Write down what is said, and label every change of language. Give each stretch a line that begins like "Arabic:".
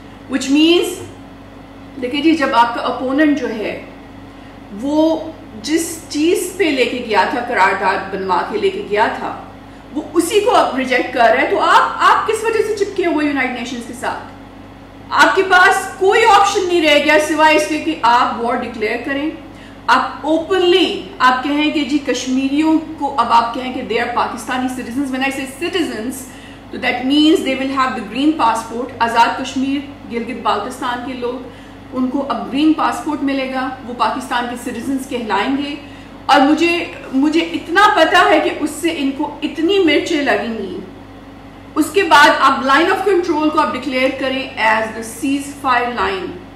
English: Which means,
Urdu: دیکھیں جی جب آپ کا اپوننٹ جو ہے وہ جس چیز پہ لے کے گیا تھا قرارداد بنوا کے لے کے گیا تھا وہ اسی کو آپ ریجیکٹ کر رہے ہیں تو آپ کس وجہ سے چپکے ہوئے یونائٹڈ نیشنز کے ساتھ؟ آپ کے پاس کوئی آپشن نہیں رہ گیا سوائے اس کے کہ آپ وار ڈکلیئر کریں. آپ اوپنلی آپ کہیں کہ جی کشمیریوں کو اب آپ کہیں کہ
English: They are Pakistani citizens. When I say citizens تو that means they will have the green passport.
Urdu: Azad Kashmir Gilgit بالتستان کے لوگ ان کو اب گرین پاسپورٹ ملے گا, وہ پاکستان کے سٹیزنز کہلائیں گے. اور مجھے اتنا پتا ہے کہ اس سے ان کو اتنی مرچیں لگیں گی. اس کے بعد آپ لائن آف کنٹرول کو آپ ڈکلیئر کریں
English: As the ceasefire line.